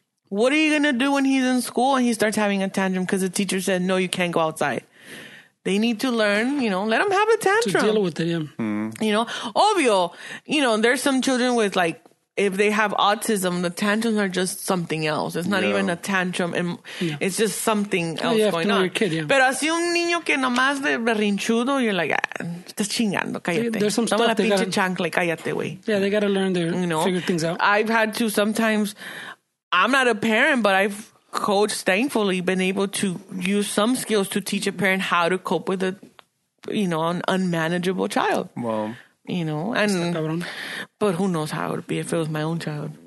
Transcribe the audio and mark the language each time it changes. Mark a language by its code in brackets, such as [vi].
[en] What are you going to do when he's in school and he starts having a tantrum because the teacher said, no, you can't go outside? They need to learn, you know, let him have a tantrum. To deal with it, yeah. Mm-hmm. You know, obvio, you know, there's some children with, like, if they have autism, the tantrums are just something else. It's not even a tantrum. It's just something else going on. [es] Pero así un niño que nomás de berrinchudo, [en] you're like, [es] estás chingando, cállate. [en] There's some stuff. [es] Toma la pinche chancla, cállate, güey. [en] Yeah, they got to learn their, you know, figure things out. I've had to sometimes, I'm not a parent, but I've coached, thankfully, been able to use some skills to teach a parent how to cope with a, you know, an unmanageable child. Well, you know, and but who knows how it would be if it was my own child,